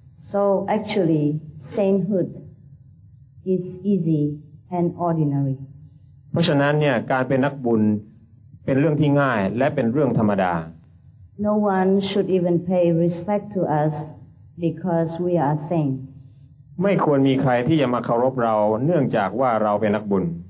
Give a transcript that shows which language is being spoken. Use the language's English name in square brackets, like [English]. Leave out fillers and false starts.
[English] So actually sainthood is easy and ordinary [Thai] เพราะฉะนั้นเนี่ยการเป็นนักบุญเป็นเรื่องที่ง่ายและเป็นเรื่องธรรมดา [English] No one should even pay respect to us because we are saints [Thai] ไม่ควรมีใครที่จะมาเคารพเราเนื่องจากว่าเราเป็นนักบุญ